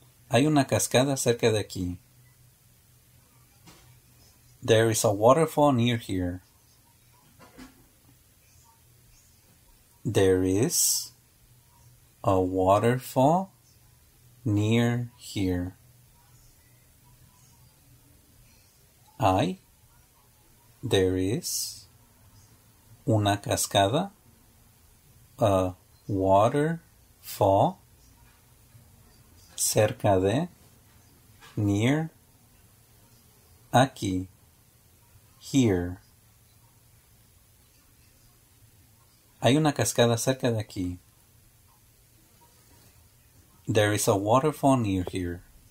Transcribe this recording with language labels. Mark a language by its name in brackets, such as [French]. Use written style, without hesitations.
[Spanish] Hay una cascada cerca de aquí. [English] There is a waterfall near here. There is a waterfall near here. There is [Spanish] una cascada, [English] a waterfall, [Spanish] cerca de, [English] near, [Spanish] aquí, [English] here. [Spanish] Hay una cascada cerca de aquí. [English] There is a waterfall near here.